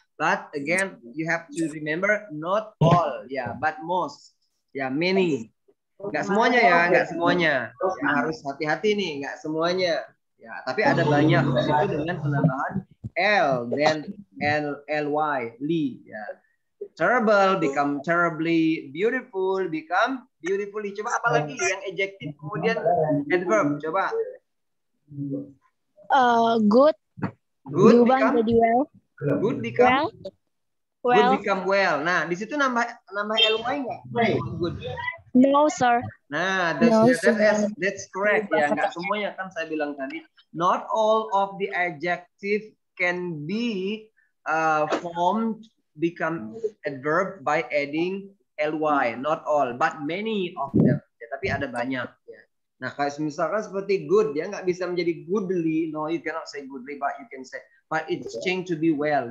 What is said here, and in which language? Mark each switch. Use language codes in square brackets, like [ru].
[en] But again, you have to remember not all, yeah, but most, yeah, many. [id] Enggak semuanya ya, enggak semuanya. Ya, harus hati-hati nih, enggak semuanya. Ya, tapi ada banyak di situ dengan penambahan L then L LY, Lee, ya. [en] Terrible become terribly, beautiful become beautifully. [id] Coba apa lagi yang adjective kemudian adverb? Coba. [en] Good. Good become, [id] jadi well. [en] Good become well. Well. Good become well. [id] Nah, di situ nambah LY enggak? [en] No, sir. [id] Nah, [en] that's correct. [id] Ya, enggak semuanya kan saya bilang tadi. [en] Not all of the adjective can be formed become adverb by adding ly. Not all, but many of them. [id] Ya, tapi ada banyak. Ya. Nah, kayak misalkan seperti good, ya nggak bisa menjadi goodly. [en] No, you cannot say goodly, but you can say, but it's changed to be well.